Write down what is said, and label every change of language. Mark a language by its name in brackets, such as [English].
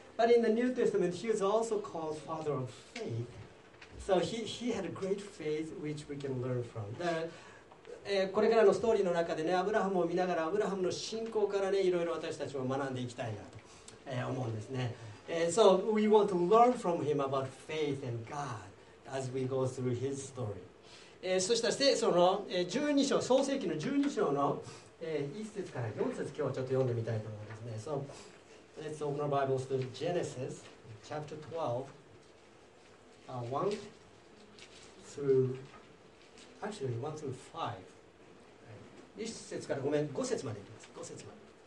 [English] But in the New Testament, he was also called father of faith. So he had a great faith which we can learn from. [Japanese] だから、これからのストーリーの中でね、アブラハムを見ながらアブラハムの信仰からね、いろいろ私たちも学んでいきたいなと、思うんですね。 [English] So we want to learn from him about faith and God as we go through his story. [Japanese] そしたらその12章、創世記の12章の1節から4節、今日はちょっと読んでみたいと思いますね。 [English] So, let's open our Bibles to Genesis chapter 12, 1 through 5. [Japanese] 1節から、ごめん、5節までいきます。5節まで。